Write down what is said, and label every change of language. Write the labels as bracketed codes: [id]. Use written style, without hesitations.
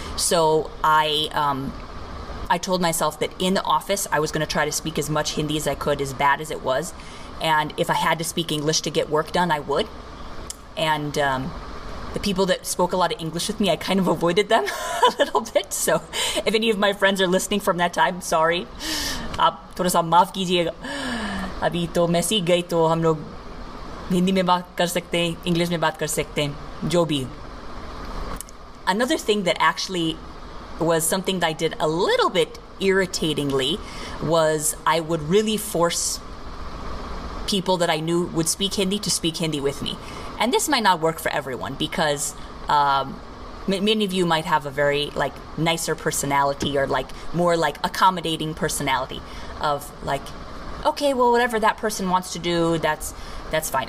[en] So I told myself that in the office, I was going to try to speak as much Hindi as I could, as bad as it was. And if I had to speak English to get work done, I would. And the people that spoke a lot of English with me, I kind of avoided them a little bit. So if any of my friends are listening from that time, sorry. [hi] आप थोड़ा सा माफ़ कीजिएगा. अभी तो मैं सीख गई तो हम लोग हिंदी में बात कर सकते हैं, इंग्लिश में बात कर सकते हैं, जो भी. [en] Another thing that actually was something that I did a little bit irritatingly was I would really force people that I knew would speak Hindi to speak Hindi with me. And this might not work for everyone because many of you might have a very like nicer personality or like more like accommodating personality of like, okay, well, whatever that person wants to do, that's fine.